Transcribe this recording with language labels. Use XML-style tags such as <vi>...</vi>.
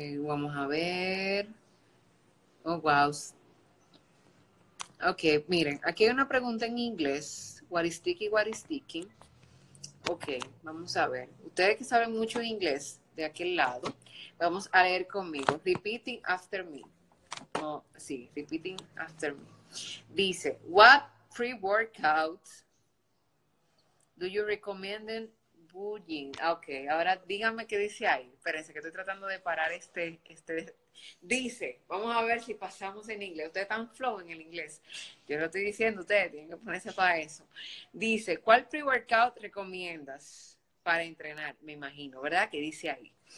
<es>Vamos a ver. Oh, wow. Ok, miren, aquí hay una pregunta en inglés.</es> <en>What is sticky? What is sticky?</en> <es>Ok, vamos a ver. Ustedes que saben mucho inglés de aquel lado, vamos a leer conmigo.</es> <en>Repeating after me.</en> <es>Oh, sí,</es> <en>repeating after me. Dice, what pre-workout do you recommend? Bullying.</en> <es>Ok, ahora dígame qué dice ahí. Espérense que estoy tratando de parar este. Dice, vamos a ver si pasamos en inglés. Ustedes están flow en el inglés. Yo lo estoy diciendo, ustedes tienen que ponerse para eso. Dice, ¿cuál pre-workout recomiendas para entrenar? Me imagino, ¿verdad? ¿Qué dice ahí?</es>